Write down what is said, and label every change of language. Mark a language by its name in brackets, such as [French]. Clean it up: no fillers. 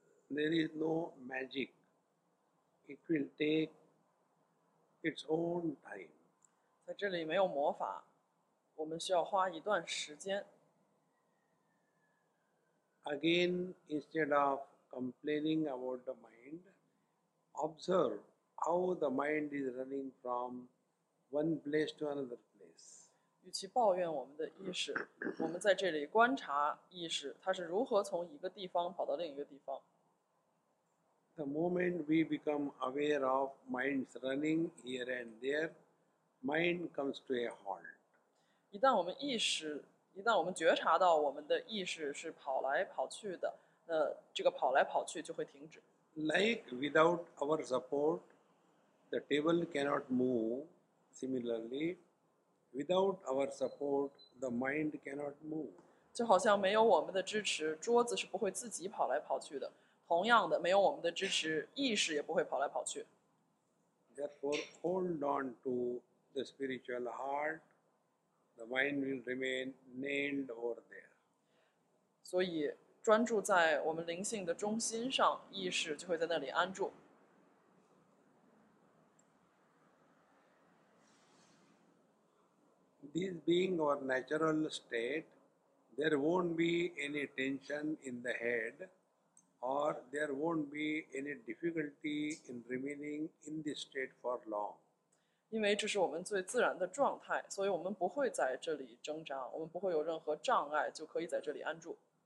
[English] There is no magic. It will take its own time. [Chinese] 在这里没有魔法，我们需要花一段时间。 [English] Again, instead of complaining about the mind, observe how the mind is running from one place to another place. [Chinese] 与其抱怨我们的意识，我们在这里观察意识，它是如何从一个地方跑到另一个地方。 [English] The moment we become aware of minds running here and there, mind comes to a halt. [Chinese] 一旦我们觉察到我们的意识是跑来跑去的，那这个跑来跑去就会停止。 [English] Like without our support, the table cannot move. Similarly, without our support, the mind cannot move. [Chinese] 就好像没有我们的支持，桌子是不会自己跑来跑去的。同样的，没有我们的支持，意识也不会跑来跑去。 [English] Therefore, hold on to the spiritual heart. The mind will remain nailed over there. [Chinese] 所以，专注在我们灵性的中心上，意识就会在那里安住。 [English] This being our natural state, there won't be any tension in the head. or there won't be any difficulty in remaining in this state for long. [Chinese] 因为这是我们最自然的状态，所以我们不会在这里挣扎，我们不会有任何障碍，就可以在这里安住。